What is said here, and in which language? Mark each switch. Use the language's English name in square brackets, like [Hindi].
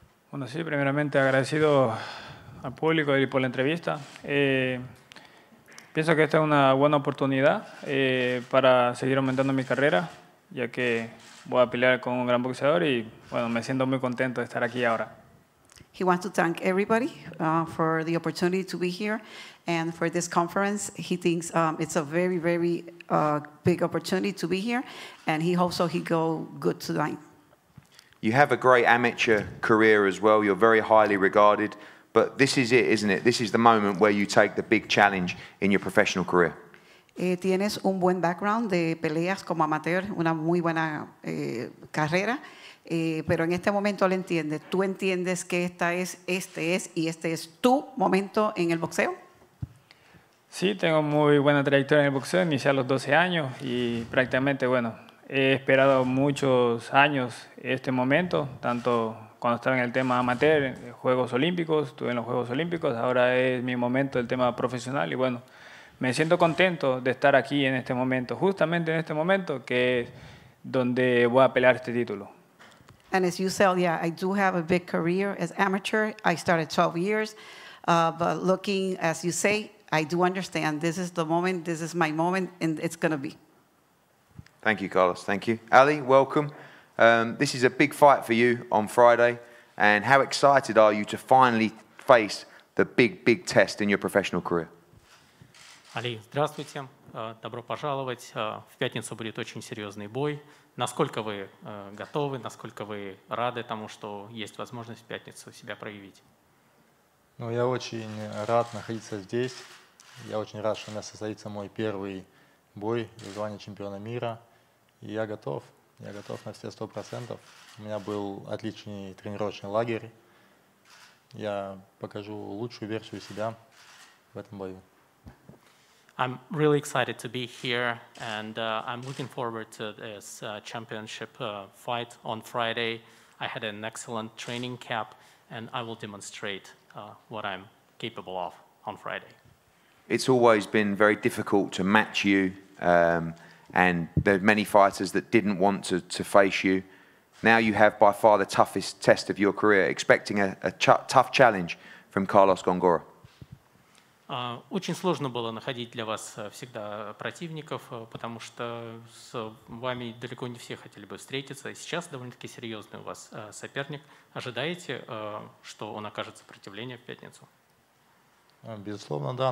[Spanish] Bueno, sí, primeramente agradecido al público y por la entrevista. Pienso que esta es una buena oportunidad para seguir aumentando mi carrera, ya que voy a pelear con un gran boxeador y, bueno, me siento muy contento de estar aquí ahora. [English] He wants to thank everybody for the opportunity to be here and for this conference. He thinks it's a very, very big opportunity to be here, and he hopes so he go good tonight. You have a great amateur career as well. You're very highly regarded. But this is it, isn't it? This is the moment where you take the big challenge in your professional career. [Spanish] Tienes un buen background de peleas como amateur, una muy buena carrera. Pero en este momento lo entiendes. ¿Tú entiendes que este es tu momento en el boxeo? Sí, tengo muy buena trayectoria en el boxeo. Inicié a los 12 años y prácticamente, bueno, he esperado muchos años este momento, tanto cuando estaba en el tema amateur, Juegos Olímpicos, estuve en los Juegos Olímpicos, ahora es mi momento el tema profesional y bueno, me siento contento de estar aquí en este momento, justamente en este momento que es donde voy a pelear este título. [English] And as you said, yeah, I do have a big career as amateur. I started 12 years, but looking, as you say, I do understand this is the moment, this is my moment, and it's going to be. Thank you, Carlos. Thank you. Ali, welcome. This is a big fight for you on Friday. And how excited are you to finally face the big, big test in your professional career? [Russian] Ali, здравствуйте. Добро пожаловать. В пятницу будет очень серьезный бой. Насколько вы готовы, насколько вы рады тому, что есть возможность в пятницу себя проявить? Ну, я очень рад находиться здесь. Я очень рад, что у меня состоится мой первый бой в звании чемпиона мира. И я готов. Я готов на все 100%. У меня был отличный тренировочный лагерь. Я покажу лучшую версию себя в этом бою. [English] I'm really excited to be here, and I'm looking forward to this championship fight on Friday. I had an excellent training camp, and I will demonstrate what I'm capable of on Friday. It's always been very difficult to match you, and there are many fighters that didn't want to face you. Now you have by far the toughest test of your career, expecting a tough challenge from Carlos Góngora. [Russian] Очень сложно было находить для вас всегда противников, потому что с вами далеко не все хотели бы встретиться. Сейчас довольно-таки серьезный у вас соперник. Ожидаете, что он окажет сопротивление в пятницу? Безусловно, да.